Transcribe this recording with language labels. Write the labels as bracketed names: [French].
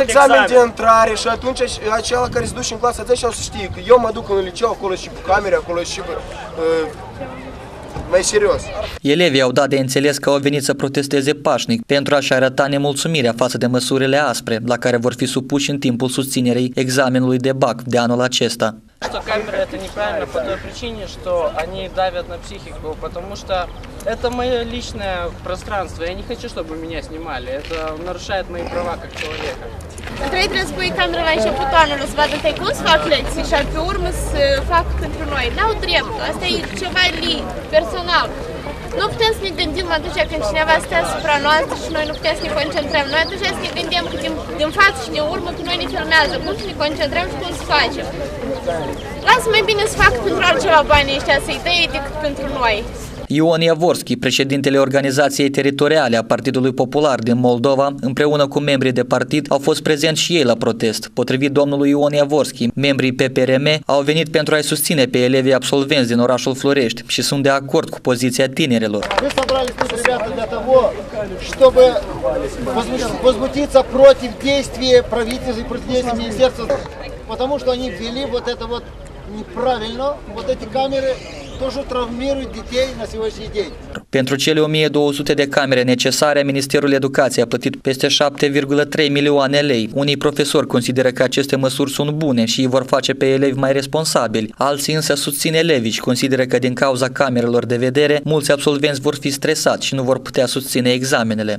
[Romanian] Faceți examen de intrare și atunci acela care se duce în clasa 10 o să știe că eu mă duc în liceu acolo și cu camere, acolo și cu... Elevii au dat de înțeles că au venit să protesteze pașnic pentru a-și arăta nemulțumirea față de măsurile aspre la care vor fi supuși în timpul susținerei examenului de BAC de anul acesta. [Russian] Что камера это неправильно по той причине, что они давят на психику, потому что это мое личное пространство. Я не хочу, чтобы меня снимали. Это нарушает мои права как человека. [Romanian] Trebuie să spui camera la început anului, să vadă pe cum să fac lecții și pe urmă să fac pentru noi. N-au drept, asta e ceva li personal. Nu putem să ne gândim atunci când cineva stă asupra noastră și noi nu putem să ne concentrăm. Noi atunci să ne gândim că din față și din urmă că noi ne filmează, cum să ne concentrăm și cum să facem. Lasă mai bine să fac pentru altceva banii ăștia, să-i dăie decât pentru noi. Ion Iavorski, președintele Organizației Teritoriale a Partidului Popular din Moldova, împreună cu membrii de partid, au fost prezenți și ei la protest. Potrivit domnului Ion Iavorski, membrii PPRM au venit pentru a-i susține pe elevii absolvenți din orașul Florești și sunt de acord cu poziția tinerilor. [Russian] Возмутиться против действия правительства и президента министерства, потому что они ввели вот это вот неправильно, вот эти камеры тоже травмируют детей на сегодняшний день. [Romanian] Pentru cele 1200 de camere necesare, Ministerul Educației a plătit peste 7,3 milioane lei. Unii profesori consideră că aceste măsuri sunt bune și îi vor face pe elevi mai responsabili. Alții însă susțin elevii și consideră că din cauza camerelor de vedere, mulți absolvenți vor fi stresați și nu vor putea susține examenele.